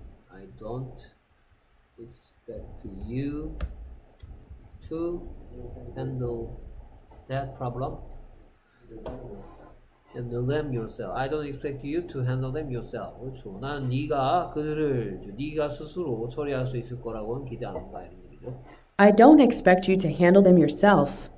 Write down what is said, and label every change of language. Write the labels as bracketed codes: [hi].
[en] I don't expect you to handle that problem. Handle them yourself. I don't expect you to handle them yourself. [ko] 그렇죠. 나는 네가 그들을 네가 스스로 처리할 수 있을 거라고는 기대 안 한다. [en] I don't expect you to handle them yourself.